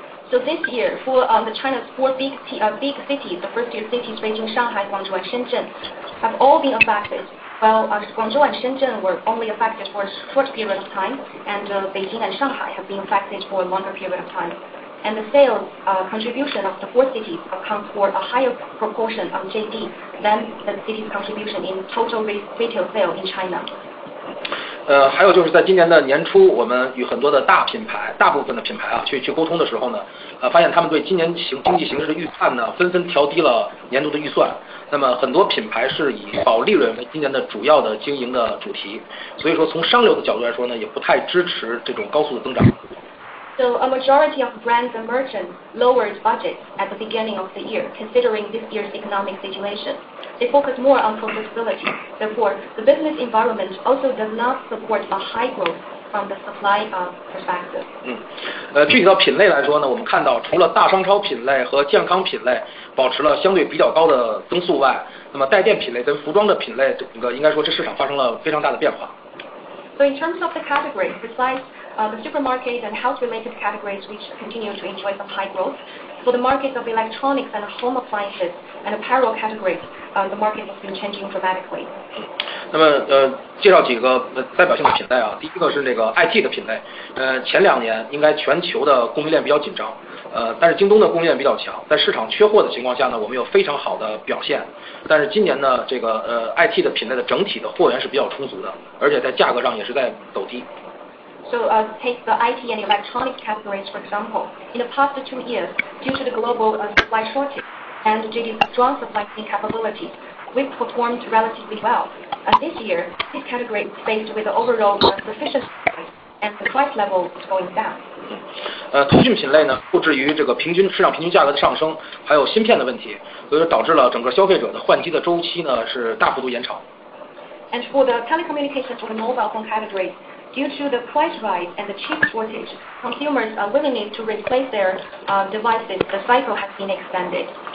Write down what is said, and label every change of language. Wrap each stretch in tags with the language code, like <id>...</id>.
<en>So this year, for the China's four big cities, the first tier cities, Beijing, Shanghai, Guangzhou, and Shenzhen, have all been affected. Guangzhou and Shenzhen were only affected for a short period of time, and Beijing and Shanghai have been affected for a longer period of time. And the sales contribution of the four cities accounts for a higher proportion of GDP than the city's contribution in total retail sale in China.</en> <zh>还有就是在今年的年初，我们与很多的大品牌、大部分的品牌啊去沟通的时候呢，发现他们对今年经济形势的预判呢，纷纷调低了年度的预算。那么很多品牌是以保利润为今年的主要的经营的主题，所以说从商流的角度来说呢，也不太支持这种高速的增长。</zh> <en>So a majority of brands and merchants lowered budgets at the beginning of the year, considering this year's economic situation. They focus more on profitability. Therefore, the business environment also does not support a high growth from the supply perspective.</en> <zh>具体到品类来说呢，我们看到除了大商超品类和健康品类保持了相对比较高的增速外，那么带电品类跟服装的品类，整个应该说这市场发生了非常大的变化。</zh> <en>So in terms of the category, besides the supermarket and health-related categories, which continue to enjoy some high growth, for the markets of electronics and home appliances and apparel categories. The market has been changing dramatically.</en> <zh>那么介绍几个代表性的品类啊，第一个是那个 IT 的品类，前两年应该全球的供应链比较紧张，但是京东的供应链比较强，在市场缺货的情况下呢，我们有非常好的表现，但是今年呢，这个IT 的品类的整体的货源是比较充足的，而且在价格上也是在走低。</zh> <en>So take the IT and electronics categories for example. In the past 2 years, due to the global supply shortage. And JD's strong supply chain capabilities, we've performed relatively well. And this year, this category is faced with the overall sufficient price, and the price level is going down.</en> <zh>通讯品类呢，受制于这个市场平均价格的上升，还有芯片的问题，所以导致了整个消费者的换机的周期呢是大幅度延长。</zh> <en>And for the telecommunications or the mobile phone category, due to the price rise and the chip shortage, consumers' willingness to replace their devices, the cycle has been extended.</en>